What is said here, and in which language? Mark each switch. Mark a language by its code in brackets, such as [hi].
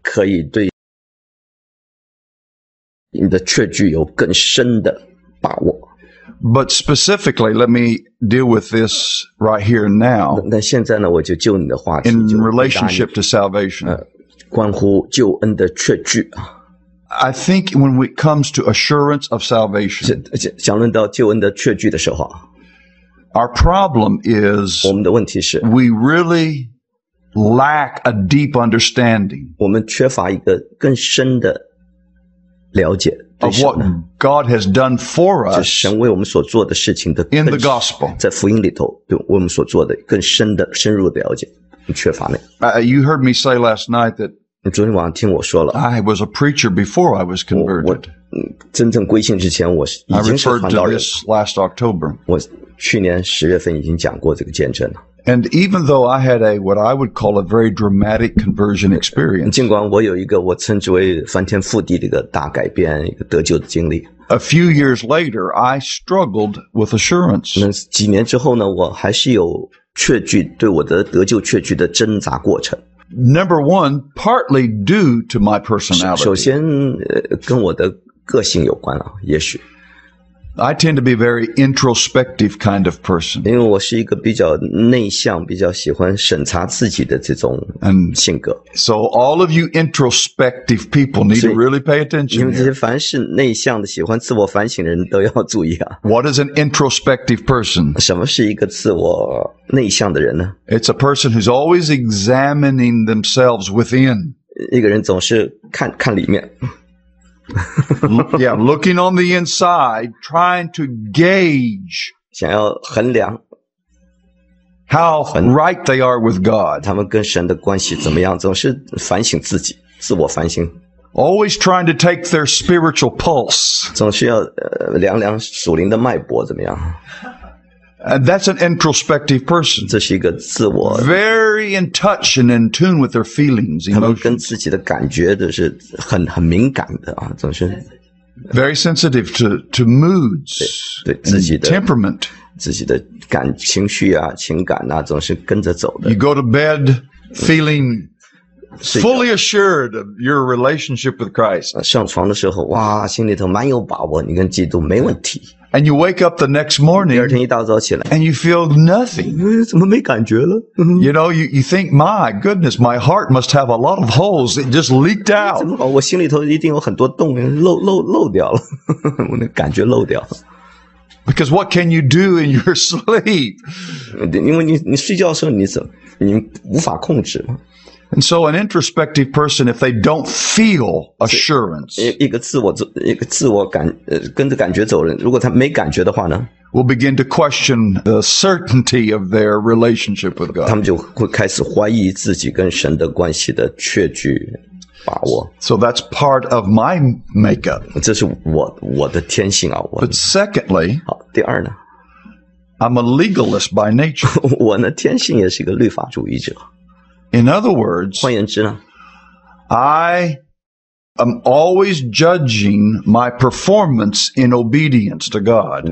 [zh] 可以对你的确据有更深的把握。 [en] But specifically, let me deal with this right here and now. [zh] 那现在呢，我就就你的话题。 [en] In relationship to salvation, [zh] 关乎救恩的确据啊。 [en] I think when it comes to assurance of salvation, [zh] 讲论到救恩的确据的时候 [en] our problem is, [zh] 我们的问题是 [en] we really lack a deep understanding, [zh] 我们缺乏一个更深的了解 [en] of what God has done for us, [zh] 就神为我们所做的事情的 [en] in the gospel, [zh] 在福音里头对我们所做的更深的深入的了解缺乏那个 [en] you heard me say last night that I was a preacher before I was converted. [zh] 我真正归信之前我已经是传道人。 [en] I referred to this last October. [zh] 我去年十月份已经讲过这个见证了。 [en] And even though I had a what I would call a very dramatic conversion experience, [zh] 尽管我有一个我称之为翻天覆地的一个大改变一个得救的经历。 [en] A few years later, I struggled with assurance. [zh] 那几年之后呢我还是有确据对我的得救确据的挣扎过程。 [en] Number one, partly due to my personality. [zh] 首先跟我的个性有关啊，也许。 [en] I tend to be a very introspective kind of person. [zh] 因为我是一个比较内向，比较喜欢审查自己的这种性格。 [en] So all of you introspective people need to really pay attention. [zh] 你们这些凡是内向的，喜欢自我反省的人都要注意啊。 [en] What is an introspective person? [zh] 什么是一个自我内向的人呢？ [en] It's a person who's always examining themselves within. [zh] 一个人总是看看里面。 [en] yeah, looking on the inside, trying to gauge [zh] 想要衡量 [en] how right they are with God. [zh] 他们跟神的关系怎么样，总是反省自己，自我反省。 [en] Always trying to take their spiritual pulse. [zh] 总是要量量属灵的脉搏怎么样。 [en] And that's an introspective person. [zh] 这是一个自我。 [en] Very in touch and in tune with their feelings. [zh] 他们跟自己的感觉都是很敏感的啊，总是。 [en] Very sensitive to moods. [zh] 对自己的 [en] temperament. [zh] 自己的感情绪啊，情感啊，总是跟着走的。 [en] You go to bed feeling fully assured of your relationship with Christ. [zh] 上床的时候，哇，心里头蛮有把握，你跟基督没问题。 [en] And you wake up the next morning, [zh] 第二天一大早起来, [en] and you feel nothing. [zh] 怎么没感觉了? [en] You know, you think, my goodness, my heart must have a lot of holes. It just leaked out. [zh] 怎么好?我心里头一定有很多洞,漏掉了。我的感觉漏掉了。 [en] Because what can you do in your sleep? [zh] 因为你睡觉的时候你无法控制。 [en] And so an introspective person, if they don't feel assurance, [zh] 跟着感觉走人，如果他没感觉的话呢, [en] will begin to question the certainty of their relationship with God. [zh] 他们就会开始怀疑自己跟神的关系的确据把握。 [en] So that's part of my makeup. [zh] 这是我的天性啊。 [en] But secondly, [zh] 好，第二呢, [en] I'm a legalist by nature. [zh] 我呢，天性也是一个律法主义者。 [en] In other words, [zh] 换言之呢, [en] I am always judging my performance in obedience to God.